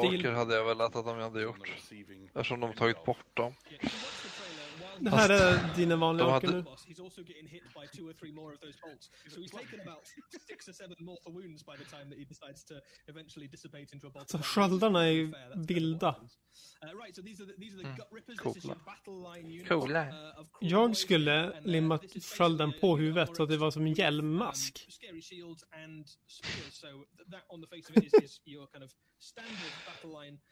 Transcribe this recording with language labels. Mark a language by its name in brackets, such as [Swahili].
[Swedish] Vanliga orker hade jag väl att de hade gjort. Eftersom de har tagit bort dem. Det här är dina vanliga orker nu. [English] He's also getting hit by two or three more of those bolts. So he's taken about six or seven mortal wounds by the time that he decides to eventually dissipate into a bolt. [Swedish] Så sköldarna är vilda. [English] Right, so these are the gut rippers. Cool. This is your battle line unit. Cool. [Swedish] Jag skulle limma skölden på huvudet så att det var som en hjälmmask. [English] Scary shields and spears. So that on the face of it is your kind of standard battle line.